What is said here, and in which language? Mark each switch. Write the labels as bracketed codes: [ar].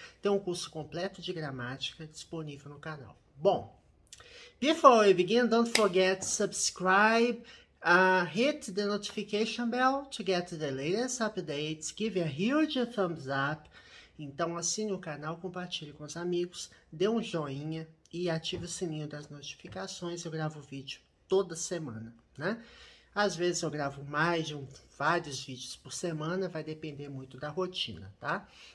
[pt] Tem um curso completo de gramática disponível no canal. Bom, [en] before we begin, don't forget to subscribe, hit the notification bell to get the latest updates, give a huge thumbs up. [pt] Então, assine o canal, compartilhe com os amigos, dê um joinha. E ative o sininho das notificações. Eu gravo vídeo toda semana, né? Às vezes eu gravo mais de vários vídeos por semana, vai depender muito da rotina, tá?